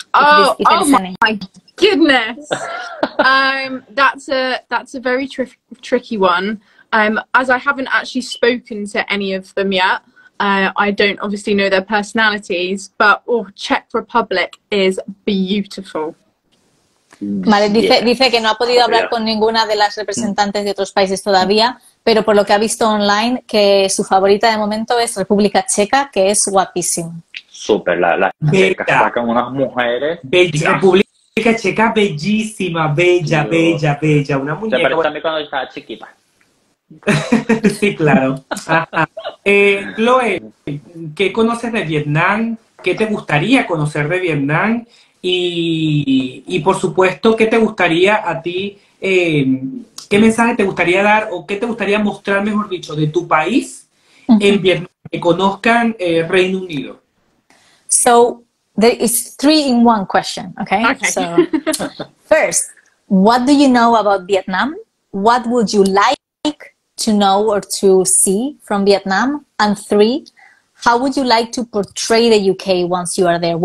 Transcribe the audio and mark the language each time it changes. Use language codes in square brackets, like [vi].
[en] Oh my goodness. That's a very tricky one. As I haven't actually spoken to any of them yet, I don't obviously know their personalities, but Czech Republic is beautiful. [es] Vale, dice que no ha podido hablar con ninguna de las representantes de otros países todavía, pero por lo que ha visto online, que su favorita de momento es República Checa, que es guapísima. Súper, las checas sacan unas mujeres. Bella, República Checa, bellísima, bella, Dios. bella, una muñeca. Se parece a mí cuando estaba chiquita. Sí, claro. Chloe, ¿qué conoces de Vietnam? ¿Qué te gustaría conocer de Vietnam? Y por supuesto, ¿qué te gustaría a ti, qué mensaje te gustaría dar o qué te gustaría mostrar, mejor dicho, de tu país en Vietnam, que conozcan Reino Unido? [en] So there is three in one question, okay? So first, what do you know about Vietnam? What would you like to know or to see from Vietnam? And three, how would you like to portray the UK once you are there?